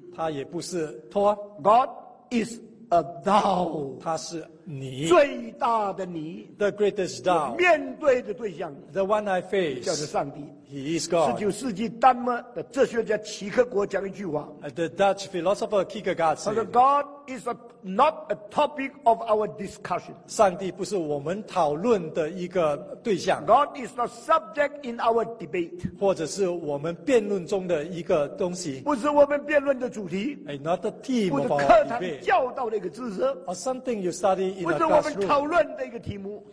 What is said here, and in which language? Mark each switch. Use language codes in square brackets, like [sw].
[zh] 他也不是他, [en] God is a thou. [zh] 他是你, 最大的你, [en] the greatest thou. [zh] 面对的对象, [en] the one I face. [zh] 叫做上帝, [en] He is God. [zh] 十九世纪丹麦的哲学家齐克果讲一句话。 [en] The Dutch philosopher Kierkegaard said, "God is not a topic of our discussion." [zh] 上帝不是我们讨论的一个对象。 [en] God is not subject in our debate. [zh] 或者是我们辩论中的一个东西。不是我们辩论的主题。 [en] Not the theme of our debate. [zh] 课堂教导的一个知识。 [en] Or something you study in a classroom. [zh] 不是我们讨论的一个题目。